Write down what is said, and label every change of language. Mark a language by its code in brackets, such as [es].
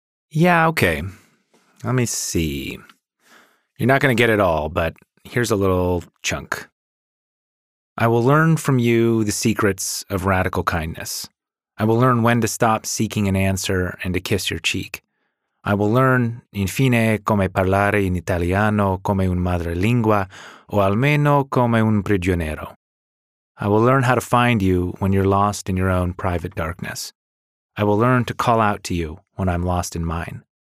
[en] Yeah, okay. Let me see. You're not going to get it all, but here's a little chunk. I will learn from you the secrets of radical kindness. I will learn when to stop seeking an answer and to kiss your cheek. I will learn, [it] infine, come parlare in italiano come un madrelingua, o almeno come un prigioniero. [en] I will learn how to find you when you're lost in your own private darkness. I will learn to call out to you when I'm lost in mine.